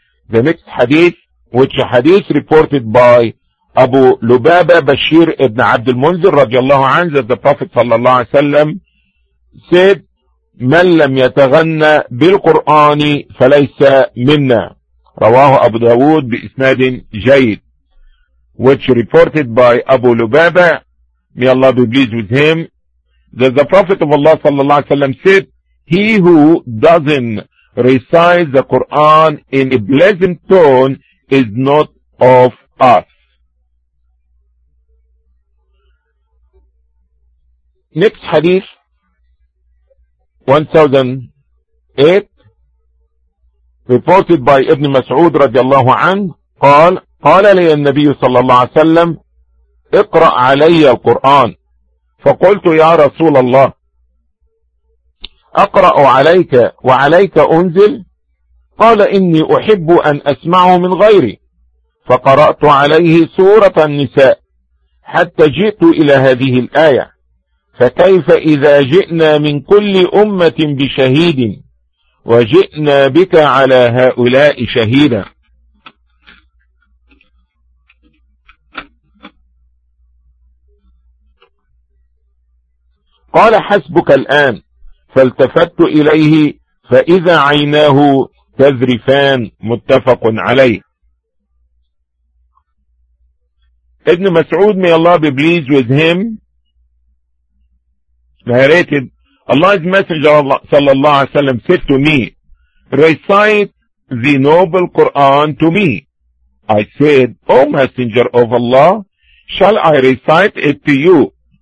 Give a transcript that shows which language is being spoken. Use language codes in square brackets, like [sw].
[en] The next hadith, which hadith reported by Abu Lubaba Bashir ibn Abd al-Munzir radiyallahu anhu, that the Prophet sallallahu alayhi wa sallam said, [ar] من لم يتغنى بالقرآن فليس منا. رواه أبو داود بإسناد جيد. [en] Which reported by Abu Lubaba, may Allah be pleased with him, that the Prophet of Allah sallallahu alayhi wa sallam said, he who doesn't recite the Quran in a pleasant tone is not of us. Next hadith, 1008, reported by Ibn Mas'ud radiallahu anhu, [ar] قال لي النبي صلى الله عليه وسلم اقرأ علي القرآن فقلت يا رسول الله اقرأ عليك وعليك انزل قال إني أحب أن أسمعه من غيري فقرأت عليه سورة النساء حتى جئت إلى هذه الآية فكيف إذا جئنا من كل أمة بشهيد وجئنا بك على هؤلاء شهيدا. قال حسبك الآن فالتفت إليه فإذا عيناه تذرفان متفق عليه. [en] ابن مسعود, may Allah be pleased with him, narrated Allah's Messenger of Allah sallallahu alaihi wasallam said to me, recite the noble Quran to me. I said, O Messenger of Allah, shall I recite it to you?